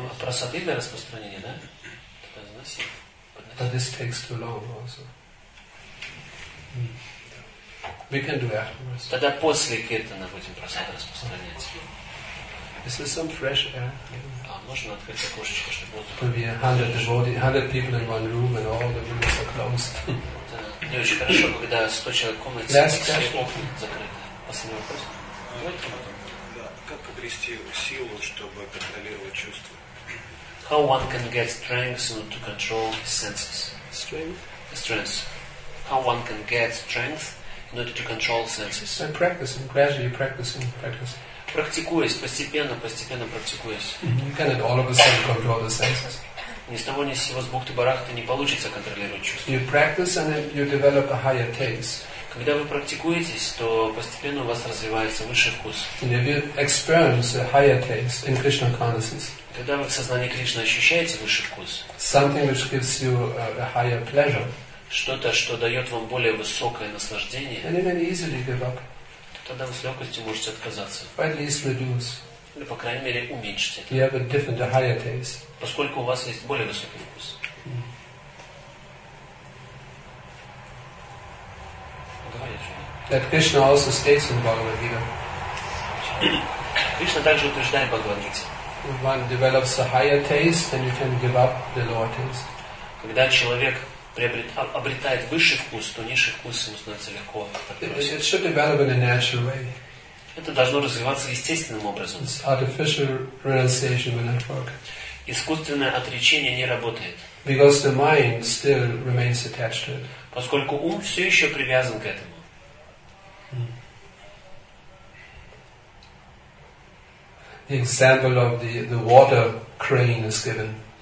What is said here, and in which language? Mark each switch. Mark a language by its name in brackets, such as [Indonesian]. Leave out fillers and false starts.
[Russian] Прасады для распространения, да? Тогда заноси. [English] But this takes too long also. We can do afterwards. [Russian] Тогда после киртана будем прасады распространять. [English] Is there some fresh air? [Russian] Можно открыть окошечко, чтобы воздух. [English] Maybe 100 people in one room and all the rooms are closed. [Russian] Не очень хорошо, когда 100 человек в комнате. [English] Last question. [Russian] Закрыто. Последний вопрос. Как обрести силу, чтобы контролировать чувства? [English] How one can get strength to control his senses? Strength. How one can get strength in order to control senses? By practicing, gradually practicing. [Russian] Практикуясь, постепенно практикуясь. [English] You cannot all of a sudden control the senses. [Russian] Ни с того ни с сего, с бухты барахты, не получится контролировать чувства. [English] You practice and then you develop a higher taste. [Russian] Когда вы практикуетесь, то постепенно у вас развивается высший вкус. [English] And if you experience a higher taste in Krishna consciousness. [Russian] Когда вы в сознании Кришны ощущаете высший вкус. [English] Something which gives you a higher pleasure. [Russian] Что-то, что дает вам более высокое наслаждение. [English] And then you easily give up. [Russian] Тогда вы с легкостью можете отказаться. [English] At least reduce. [Russian] Или, по крайней мере, уменьшите. [English] You have a different, a higher taste. [Russian] Поскольку у вас есть более высокий вкус. [English] That Krishna also states in Bhagavad Gita. [Russian] Krishna также утверждает в Бхагавад Гите. [English] If one develops a higher taste, then you can give up the lower taste. [Russian] Когда человек обретает высший вкус, то низший вкус ему становится легко. [English] It should develop in a natural way. [Russian] Это должно развиваться естественным образом. [English] It's artificial renunciation will not work. [Russian] Искусственное отречение не работает. [English] Because the mind still remains attached to it. [Russian] Поскольку ум все еще привязан к этому. [English] The example of the water crane is given.